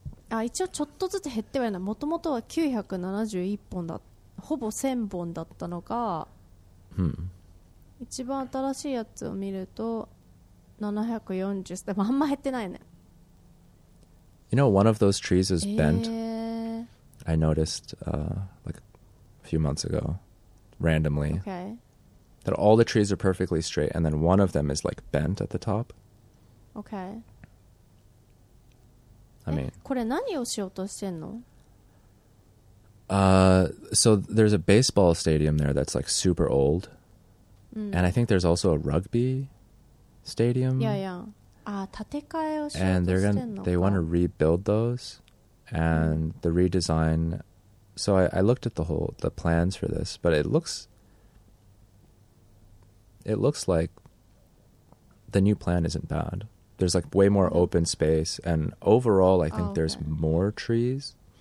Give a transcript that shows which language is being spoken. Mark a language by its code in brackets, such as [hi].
[ja] あ、一応ちょっとずつ減ってはいない。もともとは971本だ、ほぼ1000本だったのが、一番新しいやつを見ると740、でもあんま減ってないね。 [en] You know, one of those trees is bent. I noticed like a few months ago randomly. Okay. That all the trees are perfectly straight, and then one of them is like bent at the top. Okay. I mean. [ja] これ何をしようとしてんの? [en] So there's a baseball stadium there that's like super old, and I think there's also a rugby stadium. Yeah, yeah. [ja] Ah, 建て替えをしようとしてんのか? [en] And they want to rebuild those, and the redesign. So I looked at the plans for this, but it looks. It looks like the new plan isn't bad. There's like way more open space, and overall, I think there's more trees.